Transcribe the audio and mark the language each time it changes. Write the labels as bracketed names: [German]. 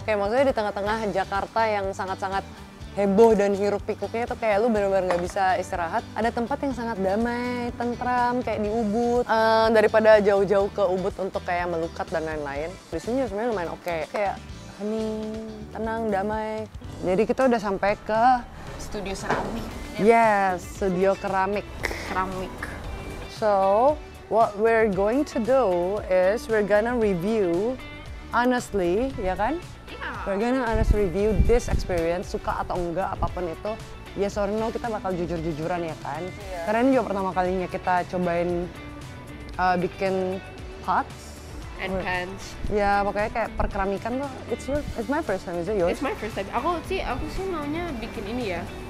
[Indonesian] Kayak maksudnya di tengah-tengah Jakarta yang sangat-sangat heboh dan hiruk-pikuknya tuh kayak lu benar-benar nggak bisa istirahat. Ada tempat yang sangat damai, tentram, kayak di Ubud. Daripada jauh-jauh ke Ubud untuk kayak melukat dan lain-lain. Di sini sebenarnya lumayan oke. Kayak hening, tenang, damai. Jadi kita udah sampai ke... Studio Seramik. Yes, studio keramik. Keramik. [English] So, what we're going to do is we're gonna review honestly, [Indonesian] ya kan? [English] Yeah. We're gonna honest review this experience, [Indonesian] suka atau enggak, apapun itu. [English] Yes or no, [Indonesian] kita bakal jujur-jujuran, ya kan? [English] Yeah. [Indonesian] Karena ini juga pertama kalinya kita cobain bikin pots. [English] And pans. [Indonesian] Ya, pokoknya kayak perkeramikan tuh. [English] It's my first time, is it yours? It's my first time. [Indonesian] Aku sih maunya bikin ini ya.